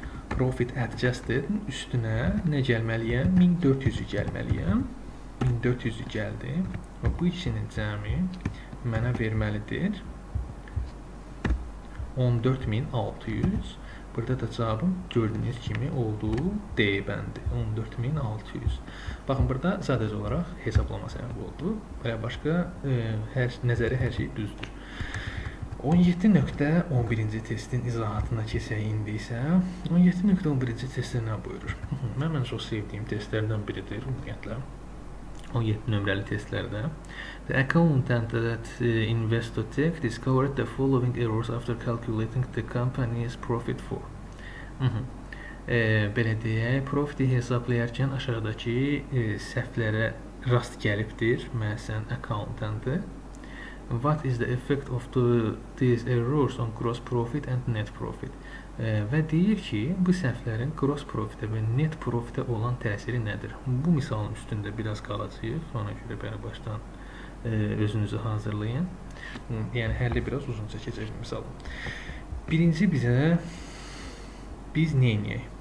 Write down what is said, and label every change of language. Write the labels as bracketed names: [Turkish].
[Azerbaijani] Profit adjusted üstünə nə gəlməliyəm? 1400-ü gəlməliyəm. 1400-ü gəldi. Və bu ikisinin cəmi mənə verməlidir 14600. Burada da cavabım gördüyünüz kimi olduğu D bəndi. 14600. Baxın, burada sadəcə olaraq hesablama səhvi oldu. Və başqa nəzəri hər şey düzdür. 17.11. testin izahatına keçək indi isə. 17.11. testə nə buyurur? Mən ən çox sevdiyim testlərdən biridir, ümumiyyətlə. 17 nömrəli testlərdə. [English] The accountant at Investotech discovered the following errors after calculating the company's profit for. [Azerbaijani] Belə deyək, profiti hesablayarkən aşağıdakı səhvlərə rast gəlibdir. Məsələn, accountantı. [English] What is the effect of these errors on gross profit and net profit? [Azerbaijani] Və deyir ki, bu səhvlərin gross profitə və net profitə olan təsiri nədir? Bu misalın üstündə biraz qalacaq, sonra görə bəri başdan özünüzü hazırlayın. Yəni, həlli biraz uzun çəkəcək misalın. Birinci bizə, biz neyiniyək?